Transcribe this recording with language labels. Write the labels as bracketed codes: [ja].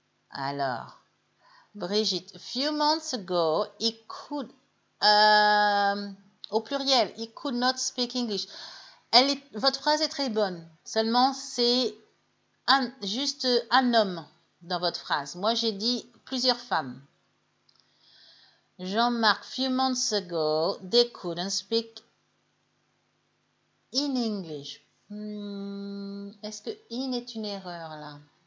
[en] Ah. Alors. Brigitte, few months ago, he could, [fr] au pluriel, [en] he could not speak English. [fr] Votre phrase est très bonne, seulement c'est juste un homme dans votre phrase. Moi, j'ai dit plusieurs femmes. [en] Jean-Marc, few months ago, they couldn't speak in English. [fr] Est-ce que in est une erreur, là?